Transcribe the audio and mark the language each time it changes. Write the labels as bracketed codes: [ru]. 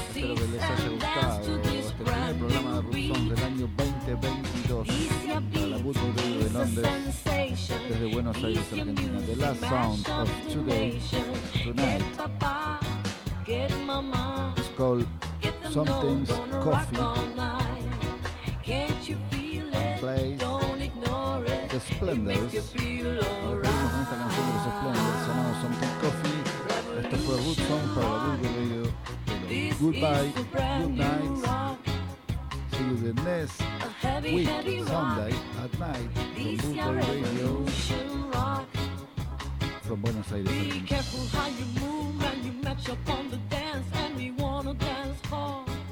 [es] Espero que les haya gustado este primer programa de Rootson del año 2022. De Londres, desde Buenos Aires, Argentina. [en] The last sound of today, tonight, is called Something's Coffee. And play The Splendors. [es] Recuerden con esta canción de los Splendors, llamado Something's Coffee. Esto fue Root Song para la Google Radio. [en] Goodbye, good night. See you the next week, Sunday at night. From Buenos Aires. Be careful how you move when you match up on the dance, and we wanna dance hard.